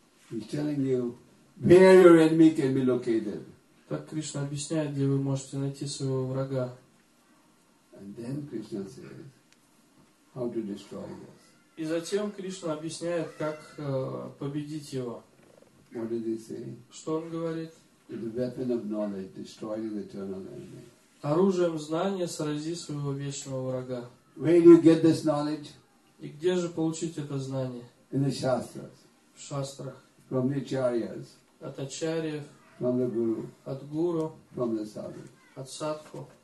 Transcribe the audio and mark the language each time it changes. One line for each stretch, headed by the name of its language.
English: He's telling you where your enemy can be located.
Russian: Так Кришна объясняет, где вы можете найти своего врага.
English: And then Krishna says, how to destroy this.
Russian: И затем Кришна объясняет, как победить его.
English: What did he say?
Russian: Что он говорит?
English: The weapon of knowledge, destroying the eternal enemy.
Russian: Оружием знания срази своего вечного врага.
English: Where do you get this knowledge?
Russian: И где же получить это знание?
English: In the shastras.
Russian: В шастрах.
English: From the acharyas.
Russian: От ачарьев.
English: From the guru.
Russian: От гуру.
English: From the sadhu.
Russian: От садху.